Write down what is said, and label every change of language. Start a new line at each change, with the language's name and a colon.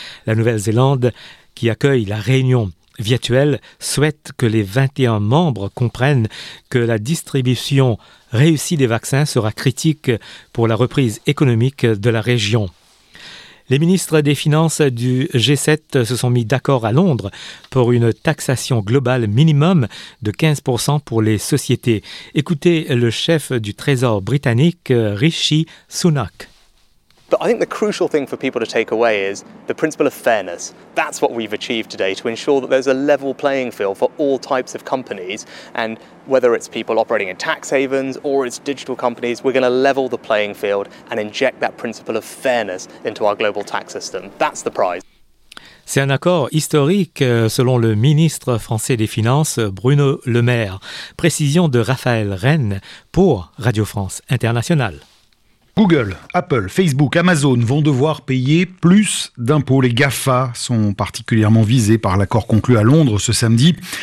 French: La Nouvelle-Zélande, qui accueille la Réunion virtuelle, souhaite que les 21 membres comprennent que la distribution réussie des vaccins sera critique pour la reprise économique de la région. Les ministres des Finances du G7 se sont mis d'accord à Londres pour une taxation globale minimum de 15% pour les sociétés. Écoutez le chef du Trésor britannique, Rishi Sunak.
English: But I think the crucial thing for people to take away is the principle of fairness. That's what we've achieved today, to ensure that there's a level playing field for all types of companies. And whether it's people operating in tax havens or it's digital companies, we're going to level the playing field and inject that principle of fairness into our global tax system. That's the prize.
French: C'est un accord historique, selon le ministre français des Finances, Bruno Le Maire. Précision de Raphaël Rennes pour Radio France Internationale. Google, Apple, Facebook, Amazon vont devoir payer plus d'impôts. Les GAFA sont particulièrement visés par l'accord conclu à Londres ce samedi.